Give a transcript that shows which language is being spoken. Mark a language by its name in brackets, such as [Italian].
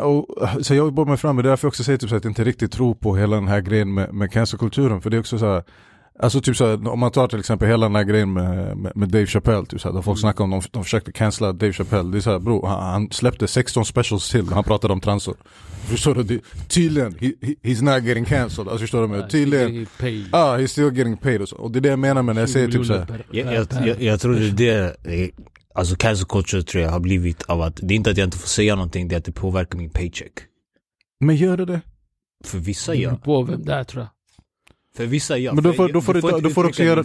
[Swedish] Och, så jag jobbar mig fram. Men det är därför jag också säger typ så här, att jag inte riktigt tror på hela den här grejen med cancelkulturen. För det är också så här. Alltså typ så här, om man tar till exempel hela den här grejen med Dave Chappelle. Typ så här, då folk snackar om de försökte cancela Dave Chappelle. Det är så här, bro, han släppte 16 specials till. Han pratade om transor. Förstår du? Tydligen, [English] he's not getting cancelled. [Swedish] Alltså förstår du mig? Tydligen. [English] Ah, he's still getting paid. [Swedish] Och det är det jag menar med när jag säger typ så här. Jag tror det är det. Alltså cancel culture tror jag har blivit av att det är inte att jag inte får säga någonting, det är att det påverkar min paycheck. Men gör det? För vissa gör. Det beror på vem det är, tror jag. För vissa gör. Men du får också göra